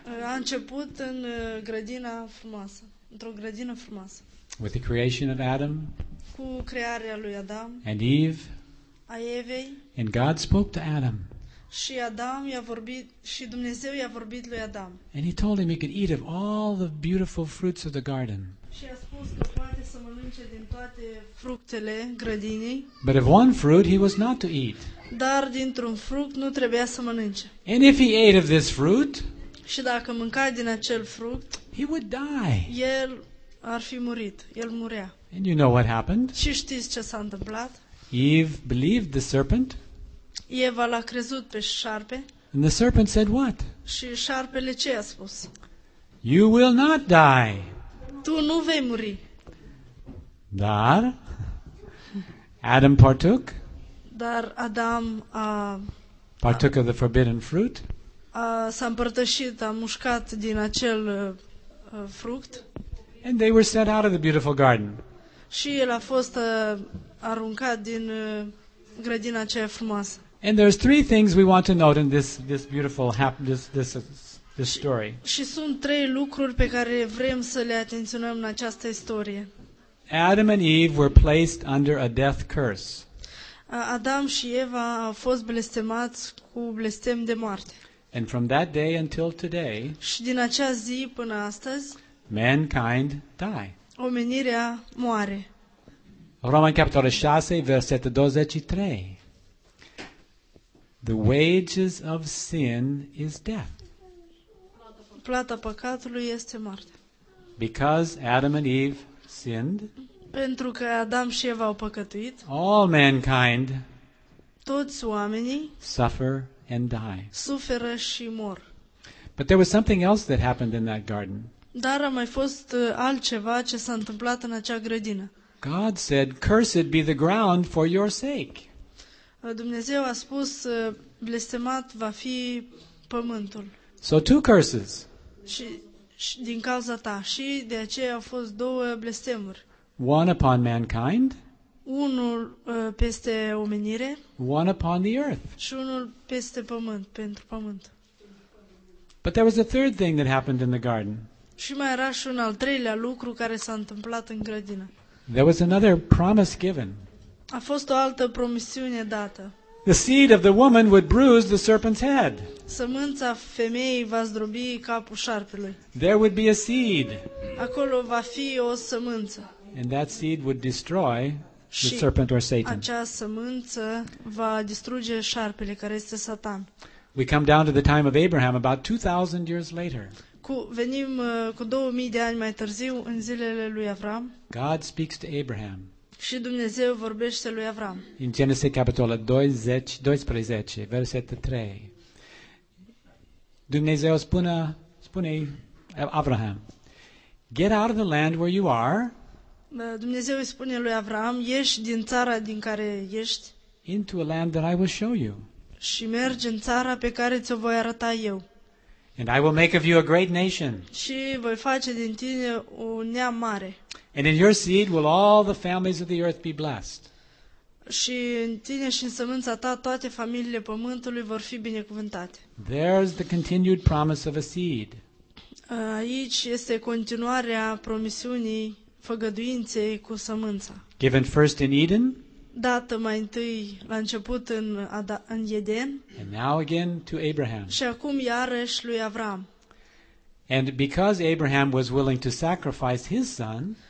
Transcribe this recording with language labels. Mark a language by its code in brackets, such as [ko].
[ro] A început în grădina frumoasă, într-o grădină frumoasă. [en] With the creation of Adam. [ro] Cu crearea lui Adam. [en] And Eve. [ro] A Evei. [en] And God spoke to Adam. [ro] Și Adam i-a vorbit, și Dumnezeu i-a vorbit lui Adam. [en] And he told him he could eat of all the beautiful fruits of the garden. [ro] Și a spus că poate să mănânce din toate fructele grădinii. [en] But of one fruit he was not to eat. [ro] Dar dintr-un fruct nu trebuia să mănânce. [en] And if he ate of this fruit, [ro] și dacă mânca din acel fruct, [en] he would die. [ro] El ar fi murit. El murea. [en] And you know what happened? [ro] Și știți ce s-a întâmplat? [en] Eve believed the serpent. [ro] Eva l-a crezut pe șarpe. [en] And the serpent said what? [ro] Și șarpele ce a spus? [en] You will not die. [ro] Tu nu vei muri. Dar [en] Adam partook. [ro] Dar Adam a [en] partook of the forbidden fruit. [ro] S-a împărtășit, a mușcat din acel fruct. [en] And they were sent out of the beautiful garden. [ro] Și el a fost aruncat din grădina aceea frumoasă. [en] And there's three things we want to note in this beautiful this story. [ro] Și sunt trei lucruri pe care vrem să le atenționăm în această istorie. [en] Adam and Eve were placed under a death curse. [ro] Adam și Eva au fost blestemați cu blestem de moarte. [en] And from that day until today, [ro] și din acea zi până astăzi, [en] mankind die. [ro] Omenirea moare. Romani capitolul 6, versetul 23. [en] The wages of sin is death. [ro] Plata păcatului este moarte. [en] Because Adam and Eve sinned, [ro] pentru că Adam și Eva au păcătuit, [en] all mankind, [ro] toți oamenii, [en] suffer and die. [ro] Suferă și mor. [en] But there was something else that happened in that garden. [ro] Dar a mai fost altceva ce s-a întâmplat în acea grădină. [en] God said, "Cursed be the ground for your sake." [ro] Dumnezeu a spus, blestemat va fi pământul. [en] So two curses. [ro] Și din cauza ta, și de aceea au fost două blestemuri. [en] One upon mankind. [ro] Unul peste omenire. [en] One upon the earth. [ro] Și unul peste pământ, pentru pământ. [en] But there was a third thing that happened in the garden. [ro] Și mai era și un al treilea lucru care s-a întâmplat în grădină. [en] There was another promise given. [ro] A fost o altă promisiune dată. [en] The seed of the woman would bruise the serpent's head. [ro] Sămânța femeii va zdrobi capul șarpelui. [en] There would be a seed. [ro] Acolo va fi o sămânță. [en] And that seed would destroy the serpent or Satan. [ro] Acea sămânță va distruge șarpele, care este Satan. [en] We come down to the time of Abraham about 2000 years later. [ro] Venim cu 2000 de ani mai târziu în zilele lui Avram. [en] God speaks to Abraham. [ro] Și Dumnezeu vorbește lui Avram. În Genesis capitolul 12, versetul 3. Dumnezeu spune [en] Avraham, "Get out of the land where you are." [ro] Dumnezeu îi spune lui Avram, ieși din țara din care ești. [en] Into a land that I will show you. [ro] Și mergi în țara pe care ți-o voi arăta eu. [en] And I will make of you a great nation. [ro] Și voi face din tine o neam mare. [en] And in your seed will all the families of the earth be blessed. [ro] Și în tine și în sămânța ta toate familiile pământului vor fi binecuvântate. [en] There's the continued promise of a seed. [ro] Aici este continuarea promisiunii, făgăduinței cu sămânța. [en] Given first in Eden. [ro] dată mai întâi la început în în Eden. [en] And now again to Abraham. [ro] Și acum iarăși lui Avram. [en] And because Abraham was willing to sacrifice his son,